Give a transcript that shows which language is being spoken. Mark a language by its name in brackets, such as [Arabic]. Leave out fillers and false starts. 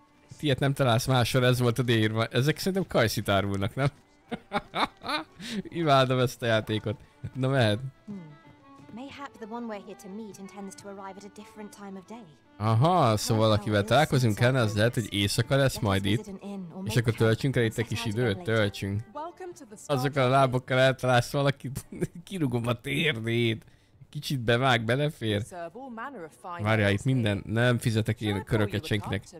[Hungarian] Hát ilyet nem találsz máshol, ez volt a déírva. Ezek szerintem kajszit árulnak, nem? Imádom ezt a játékot. Na mehet. [English] Mayhap the one we're here to meet intends to arrive at a different time of day. [Hungarian] Aha, szóval akivel találkozunk kell, az lehet, hogy éjszaka lesz majd itt. És akkor töltsünk el itt egy kis időt, töltsünk. Azokkal a lábokkal eltalálsz valakit, kirúgom a térdét. Kicsit bevág, belefér. Várjál, itt minden, nem fizetek én köröket senkinek.